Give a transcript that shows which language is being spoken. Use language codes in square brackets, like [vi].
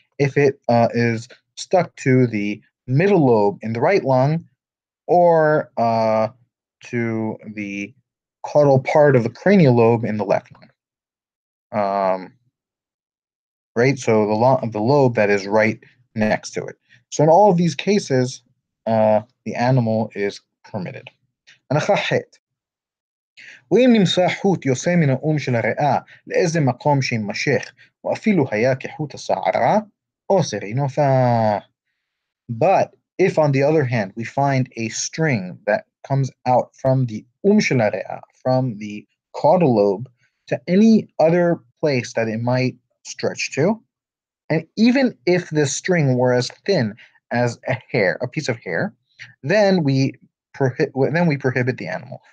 [en] If it is stuck to the middle lobe in the right lung, or to the caudal part of the cranial lobe in the left lung, right? So the lobe that is right next to it. So in all of these cases, the animal is permitted. [he] ואם נמצא חוט יוצא מן האום של הריאה לאיזה מקום שימשך, ואפילו היה כחוט השערה או סרינופה. [en] But if on the other hand we find a string that comes out from the [he] אום של הריאה, [en] from the caudal lobe, to any other place that it might stretch to, and even if this string were as thin as a hair, a piece of hair, then we prohibit the animal.